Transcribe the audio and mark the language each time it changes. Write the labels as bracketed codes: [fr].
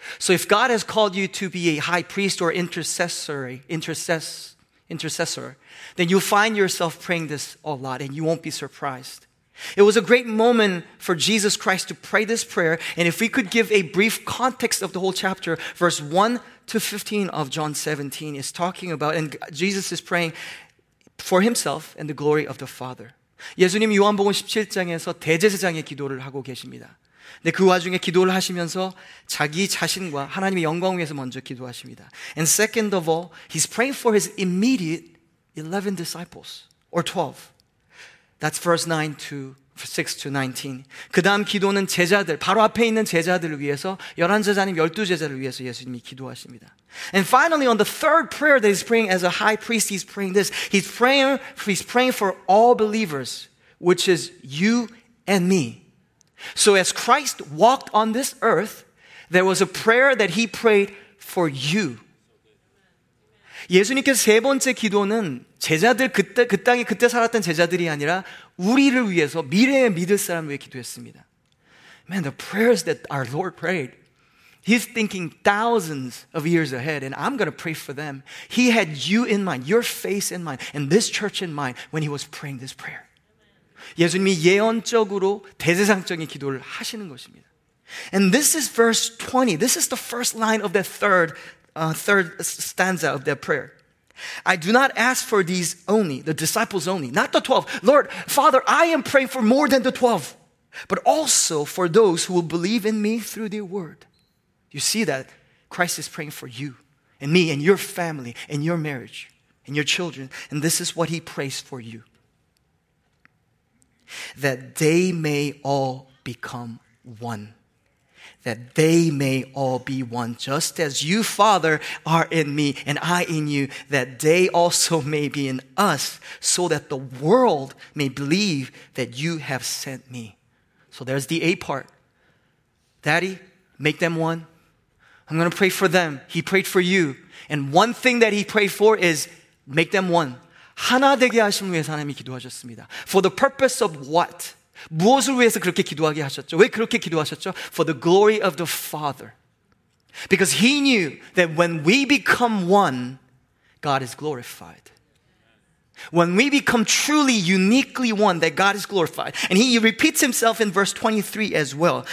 [en] So if God has called you to be a high priest or intercessor, then you'll find yourself praying this a lot and you won't be surprised. It was a great moment for Jesus Christ to pray this prayer. And if we could give a brief context of the whole chapter, verse 1 to 15 of John 17 is talking about, and Jesus is praying for himself and the glory of the Father. [ko] 예수님 요한복음 17장에서 대제사장의 기도를 하고 계십니다. 근데 그 와중에 기도를 하시면서 자기 자신과 하나님의 영광을 위해서 먼저 기도하십니다. [en] And second of all, he's praying for his immediate 11 disciples, or 12. That's verse 9 to 6 to 19. [ko] 그 다음 기도는 제자들, 바로 앞에 있는 제자들을 위해서, 11 제자님, 12 제자를 위해서 예수님이 기도하십니다. [en] And finally, on the third prayer that he's praying as a high priest, he's praying this. He's praying for all believers, which is you and me. So as Christ walked on this earth, there was a prayer that he prayed for you. [ko] 예수님께서 세 번째 기도는 제자들 그 땅에 그때 살았던 제자들이 아니라 우리를 위해서 미래에 믿을 사람을 위해 기도했습니다. [en] Man, the prayers that our Lord prayed, he's thinking thousands of years ahead, and I'm going to pray for them. He had you in mind, your face in mind, and this church in mind when he was praying this prayer. [ko] 예수님이 예언적으로 대제사장적인 기도를 하시는 것입니다. [en] And this is verse 20. This is the first line of the third stanza of their prayer. I do not ask for these only, the disciples only, not the 12. Lord, Father, I am praying for more than the 12, but also for those who will believe in me through their word. You see that? Christ is praying for you and me and your family and your marriage and your children. And this is what he prays for you. That they may all become one. That they may all be one, just as you, Father, are in me and I in you, that they also may be in us, so that the world may believe that you have sent me. So there's the A part. Daddy, make them one. I'm going to pray for them. He prayed for you. And one thing that he prayed for is make them one. [ko] 하나 되게 하심을 위해서 하나님이 기도하셨습니다. [en] For the purpose of what? [ko] 무엇을 위해서 그렇게 기도하게 하셨죠? 왜 그렇게 기도하셨죠? [en] For the glory of the Father. Because he knew that when we become one, God is glorified. When we become truly, uniquely one, that God is glorified. And he repeats himself in verse 23 as well.